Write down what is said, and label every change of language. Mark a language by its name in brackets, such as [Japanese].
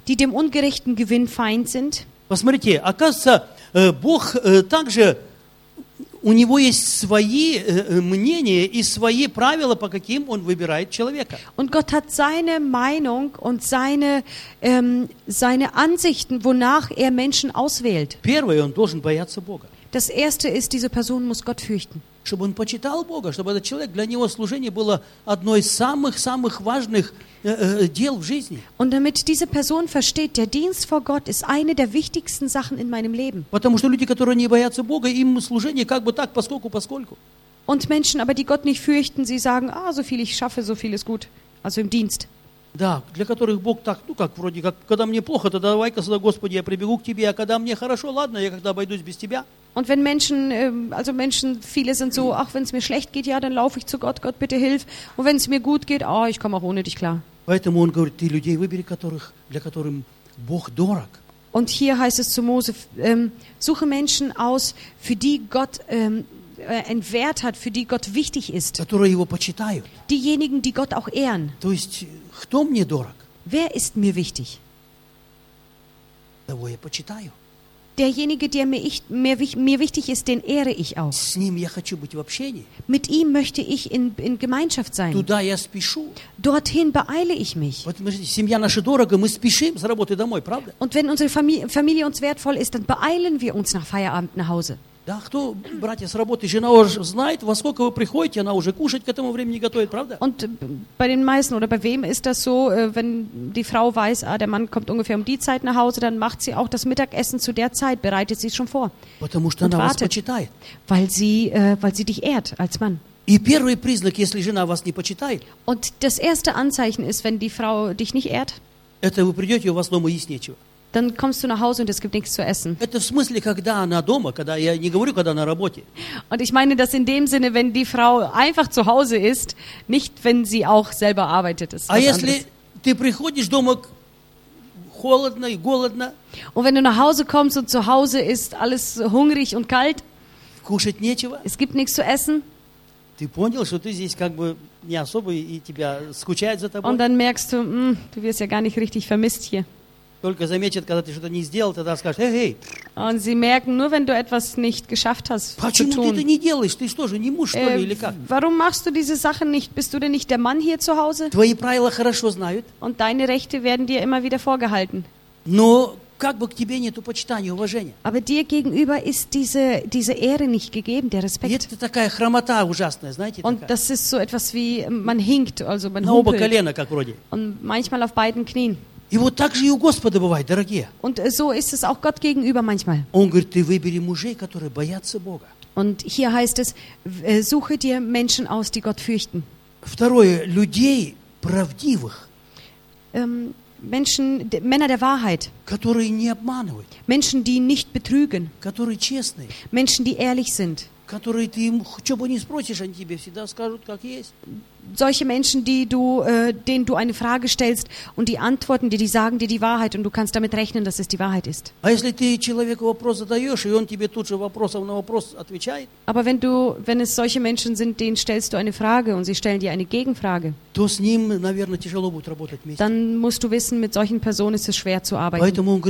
[German] Die dem ungerechten Gewinn feind sind. [Russian] Посмотрите, оказывается, Бог также, у Него есть свои мнения и свои правила, по каким Он выбирает человека. [German] Und Gott hat seine Meinung und seine Ansichten, wonach Menschen auswählt. [Russian] Первое, Он должен бояться Бога. [German] Das Erste ist, diese Person muss Gott fürchten. [Russian] Чтобы Он почитал Бога, чтобы этот человек, для Него служение было одной из самых-самых важных дел в жизни. [German] Und damit diese Person versteht, der Dienst vor Gott ist eine der wichtigsten Sachen in meinem Leben. [Russian] Потому что люди, которые не боятся Бога, им служение как бы так, поскольку-поскольку. [German] Und Menschen, aber die Gott nicht fürchten, sie sagen, ah, so viel ich schaffe, so viel ist gut. Also im Dienst. [Russian] Да, для которых Бог так, ну как, вроде как, когда мне плохо, то давай-ка сюда, Господи, я прибегу к Тебе, а когда мне хорошо, ладно, я когда обойдусь без Тебя. [German] Und wenn Menschen, also Menschen, viele sind so, ach, wenn es mir schlecht geht, ja, dann laufe ich zu Gott, Gott, bitte hilf. Und wenn es mir gut geht, oh, ich komme auch ohne dich klar. [Russian] Поэтому он говорит, ты людей выбери, которых, для которых Бог дорог. [German] Und hier heißt es zu Mose, suche Menschen aus, für die Gott einen Wert hat, für die Gott wichtig ist. [Russian] Которые его почитают. [German] Diejenigen, die Gott auch ehren. [Russian] То есть, кто мне дорог? [German] Wer ist mir wichtig? [Russian] Того я почитаю. [German] Derjenige, der mir wichtig ist, den ehre ich auch. [Russian] С ним я хочу быть в общении. [German] Mit ihm möchte ich in Gemeinschaft sein. [Russian] Туда я спешу. [German] Dorthin beeile ich mich. [Russian] Вот, смотрите, семья наша дорога, мы спешим с работы домой, правда? [German] Und wenn unsere Familie uns wertvoll ist, dann beeilen wir uns nach Feierabend nach Hause. [Russian] Да, кто, братья, с работы, жена уже знает, во сколько вы приходите, она уже кушать к этому времени готовит, правда? [German] Und bei den meisten oder bei wem ist das so, wenn die Frau weiß, ah, der Mann kommt ungefähr die Zeit nach Hause, dann macht sie auch das Mittagessen zu der Zeit, bereitet sie schon vor. [Russian] Потому что она вас почитает. [German] Weil sie dich ehrt als Mann. [Russian] И первый признак, если жена вас не почитает. [German] Und das erste Anzeichen ist, wenn die Frau dich nicht ehrt. [Russian] Это вы придете, у вас дома есть нечего. [German] Dann kommst du nach Hause und es gibt nichts zu essen. [Russian] Это в смысле, когда она дома, когда я не говорю, когда на работе. [German] Und ich meine das in dem Sinne, wenn die Frau einfach zu Hause ist, nicht wenn sie auch selber arbeitet. Ist [Russian] а если ты приходишь дома холодно и голодно? [German] Und wenn du nach Hause kommst und zu Hause ist alles hungrig und kalt? [Russian] Кушать нечего? [German] Es gibt nichts zu essen. [Russian] Ты понял, что ты здесь как бы не особо и тебя скучает за тобой? [German] Und dann merkst du, du wirst ja gar nicht richtig vermisst hier. [Russian] Только заметят, когда ты что-то не сделал, тогда скажут: «Эй, эй!» [German] Und sie merken nur, wenn du etwas nicht geschafft hast. [Russian] Почему ты это не делаешь? Ты что же, не муж, что ли, или как? [German] Warum machst du diese Sachen nicht? Bist du denn nicht der Mann hier zu Hause? [Russian] Твои правила хорошо знают. [German] Und deine Rechte werden dir immer wieder vorgehalten. [Russian] Но как бы к тебе нету почитания, уважения? [German] Aber dir gegenüber ist diese Ehre nicht gegeben, der Respekt. [Russian] Это такая хромота ужасная, знаете? [German] Und das ist so etwas wie man hinkt, also man humpelt. [Russian] На оба колена, как вроде. [German] Und manchmal auf beiden Knien. [Russian] И вот так же и у Господа бывает, дорогие. [German] Und so ist es auch Gott gegenüber manchmal. [Russian] Он говорит, ты выбери мужей, которые боятся Бога. [German] Und hier heißt es, suche dir Menschen aus, die Gott fürchten. [Russian] Второе, людей правдивых. [German] Männer der Wahrheit. [Russian] Которые не обманывают. [German] Menschen, die nicht betrügen. [Russian] Которые честные. [German] Menschen, die ehrlich sind. [Russian] Которые ты им, что бы ни спросишь, они тебе всегда скажут, как есть. [German] Solche Menschen, denen du eine Frage stellst und die antworten dir, die sagen dir die Wahrheit und du kannst damit rechnen, dass es die Wahrheit ist. Aber wenn es solche Menschen sind, denen stellst du eine Frage und sie stellen dir eine Gegenfrage, dann musst du wissen, mit solchen Personen ist es schwer zu arbeiten.